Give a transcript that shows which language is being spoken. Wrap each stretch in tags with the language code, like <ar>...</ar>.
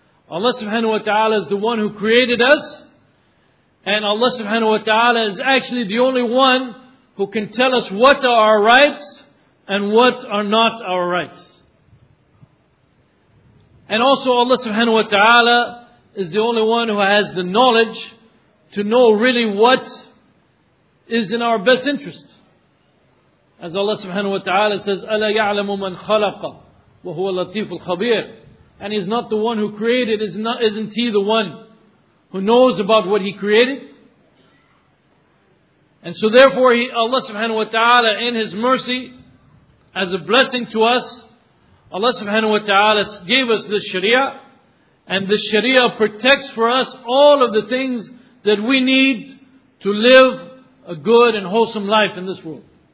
<en>Allah subhanahu wa ta'ala is the one who created us, and Allah subhanahu wa ta'ala is actually the only one who can tell us what are our rights and what are not our rights. And also Allah subhanahu wa ta'ala is the only one who has the knowledge to know really what is in our best interest. As Allah subhanahu wa ta'ala says,</en> <ar>أَلَا يَعْلَمُ مَنْ خَلَقَ وَهُوَ اللَّطِيفُ الْخَبِيرُ.</ar> <en>And He's not the one who created, isn't He the one who knows about what He created? And so therefore Allah subhanahu wa ta'ala in His mercy, as a blessing to us, Allah subhanahu wa ta'ala gave us this Sharia, and this Sharia protects for us all of the things that we need to live a good and wholesome life in this world.</en>